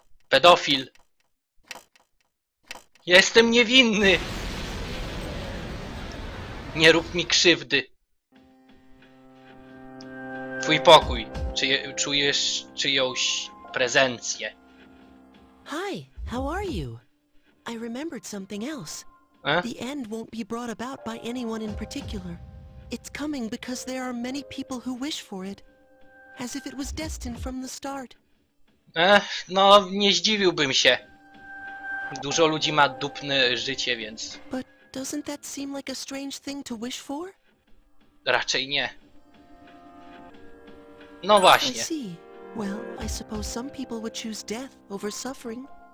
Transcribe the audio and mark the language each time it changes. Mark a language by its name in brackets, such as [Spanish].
[Polish] Pedofil. Jestem niewinny. Nie rób mi krzywdy. Twój pokój. Czujesz czyjąś prezencję? [English] Hi, how are you? I remembered something else. Eh? The end won't be brought about by anyone in particular. It's coming because there are many people who wish for it. As if it was destined from the start. [Polish] No, nie zdziwiłbym się. Dużo ludzi ma dupne życie, więc... [English] But doesn't that seem like a strange thing to wish for? [Polish] Raczej nie. No właśnie. [English] I see. Well, I suppose some people would choose death over suffering.